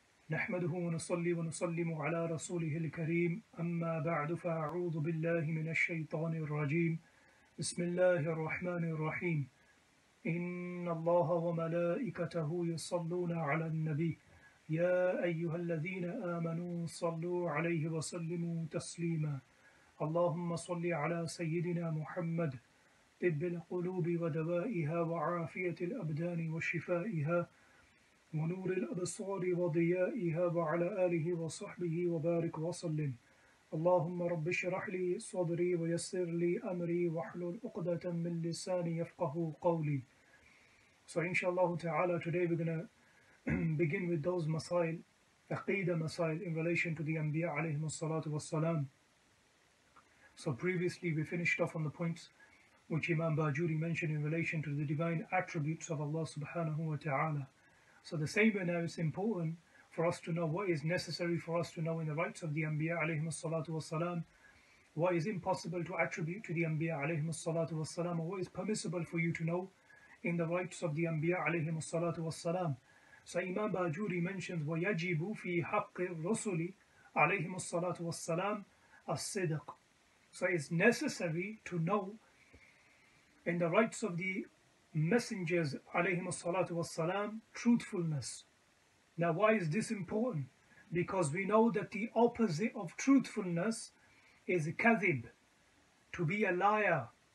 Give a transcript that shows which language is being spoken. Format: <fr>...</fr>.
<ar>نحمده ونصلي ونسلم على رسوله الكريم أما بعد فأعوذ بالله من الشيطان الرجيم بسم الله الرحمن الرحيم إن الله وملائكته يصلون على النبي يا أيها الذين آمنوا صلوا عليه وسلموا تسليما اللهم صل على سيدنا محمد طب القلوب ودوائها وعافية الأبدان وشفائها ونور الأبصار وضيائها وعلى آله وصحبه وبارك وسلم اللهم رب اشرح لي صدري ويسر لي أمري واحلل عقدة من لساني يفقه قولي.</ar> <en>So inshallah ta'ala, today we're going to begin with those masail, aqeedah masail in relation to the Anbiya alayhim as-salatu was-salam. So previously we finished off on the points which Imam Bajuri mentioned in relation to the divine attributes of Allah subhanahu wa ta'ala. So the same way now, it's important for us to know what is necessary for us to know in the rights of the Anbiya alayhim as-salatu was-salam, what is impossible to attribute to the Anbiya alayhim as-salatu was-salam, or what is permissible for you to know in the rights of the Anbiya alayhim as-salatu was-salam. So Imam Bajuri mentions,</en> <ar>وَيَجِبُ فِي حَقِّ الرُّسُلِ عَلَيْهِمُ الصَّلَاةُ وَالسَّلَامُ الصِّدْقُ.</ar> <en>So it's necessary to know in the rights of the messengers alayhim as-salatu was-salam truthfulness. Now why is this important? Because we know that the opposite of truthfulness is kadhib, to be a liar.</en>